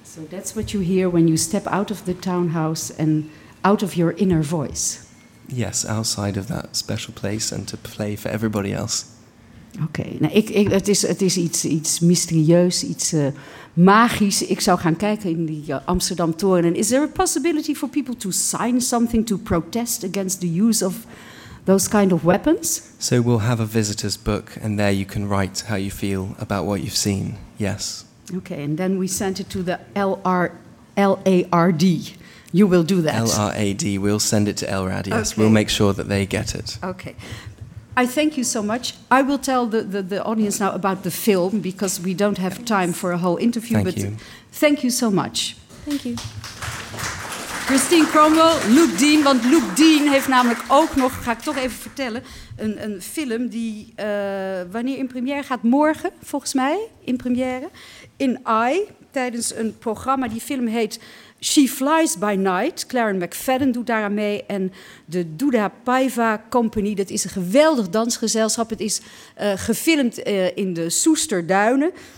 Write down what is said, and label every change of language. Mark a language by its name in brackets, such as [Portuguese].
[English] That's what you hear when you step out of the townhouse and out of your inner voice. Yes, outside of that special place and to play for everybody else. Okay. [Dutch] Nou, het is iets mysterieus, iets magisch. Ik zou gaan kijken in die Amsterdam toren. [English] And is there a possibility for people to sign something to protest against the use of those kind of weapons? So we'll have a visitor's book and there you can write how you feel about what you've seen. Yes. Okay, and then we sent it to the LARD. You will do that. LRAD. We'll send it to LRAD, yes. Okay. We'll make sure that they get it. Okay. I thank you so much. I will tell the audience now about the film, because we don't have time for a whole interview. Thank you so much. Thank you. [Dutch] Christine Cromwell, Luke Dean, want Luke Dean heeft namelijk ook nog, ga ik toch even vertellen, een film die wanneer in première gaat, morgen volgens mij, in première, in I, tijdens een programma, die film heet She Flies By Night, Claren McFadden doet daaraan mee en de Duda Paiva Company, dat is een geweldig dansgezelschap, het is gefilmd in de Soesterduinen.